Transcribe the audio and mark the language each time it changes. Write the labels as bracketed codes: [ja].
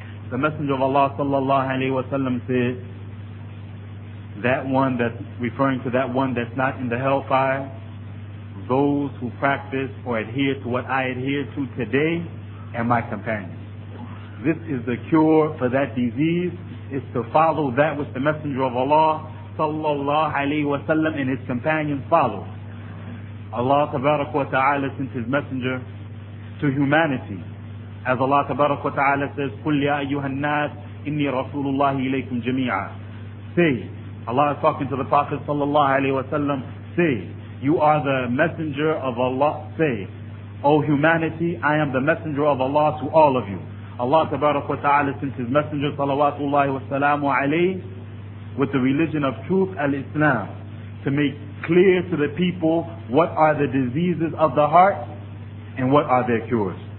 [en] The Messenger of Allah sallallahu alayhi wa sallam said, that one that's referring to that one that's not in the hellfire, those who practice or adhere to what I adhere to today and my companions. This is the cure for that disease, is to follow that which the Messenger of Allah sallallahu alayhi wa sallam and his companions follow. Allah tabarak wa ta'ala sent his messenger to humanity. As Allah tabarak wa ta'ala says, [ar] قُلْ يَا أَيُّهَا النَّاسِ إِنِّي رَسُولُ اللَّهِ إِلَيْكُمْ جَمِيعًا. [en] Say, Allah is talking to the Prophet sallallahu alayhi wa sallam, say, you are the messenger of Allah. Say, O humanity, I am the messenger of Allah to all of you. Allah tabarak wa ta'ala sent his messenger salawatullahi wa salamu alayhi with the religion of truth, al-Islam, to make clear to the people what are the diseases of the heart and what are their cures.